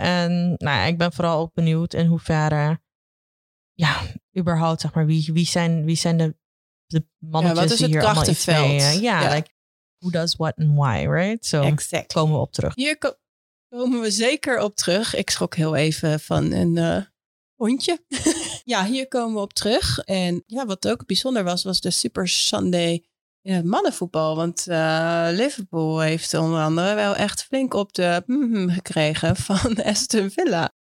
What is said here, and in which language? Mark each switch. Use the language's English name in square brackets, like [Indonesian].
[Dutch] En nou, ik ben vooral ook benieuwd in hoeverre, ja, überhaupt, zeg maar, wie zijn de mannetjes wat is die hier allemaal iets mee, [English] ja, like, who does what and why, right? So, exactly. [Dutch] Komen we op terug. Hier komen we zeker op terug. Ik schrok heel even van een... hondje. Ja, hier komen we op terug. En ja, wat ook bijzonder was, was de Super Sunday in het mannenvoetbal. Want Liverpool heeft onder andere wel echt flink op de gekregen van Aston Villa.